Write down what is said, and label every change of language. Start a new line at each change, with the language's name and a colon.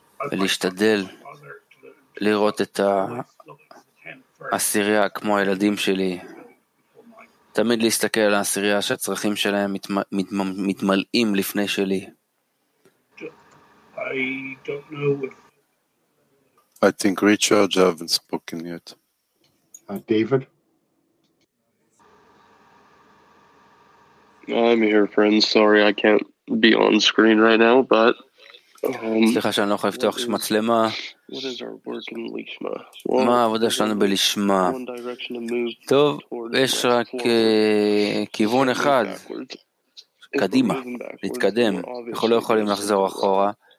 Hebrew: ולהשתדל לראות את העשירייה כמו הילדים שלי. תמיד להסתכל על העשירייה שהצרכים שלהם מתמלאים לפני שלי.
English: I think Richard haven't spoken yet. David? I'm here, friends. Sorry, I can't be on screen right now, but...
Hebrew: סליחה שאני לא יכול לפתוח מצלמה. מה העבודה שלנו בלשמה? טוב, יש רק כיוון אחד. קדימה, להתקדם. אנחנו לא יכולים לחזור אחורה.